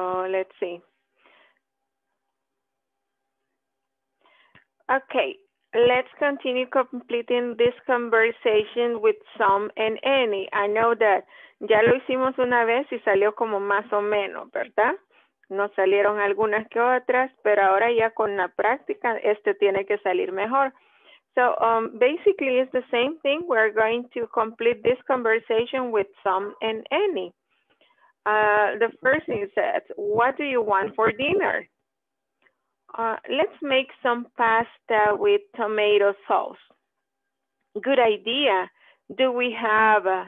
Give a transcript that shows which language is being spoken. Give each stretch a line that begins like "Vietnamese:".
English: Let's see. Okay, let's continue completing this conversation with some and any. I know that
Spanish: ya lo hicimos una vez y salió como más o menos, ¿verdad? Nos salieron algunas que otras, pero ahora ya con la práctica, este tiene que salir mejor.
English: So, basically, it's the same thing. We're going to complete this conversation with some and any. The first thing says, what do you want for dinner? Let's make some pasta with tomato sauce. Good idea. Do we have...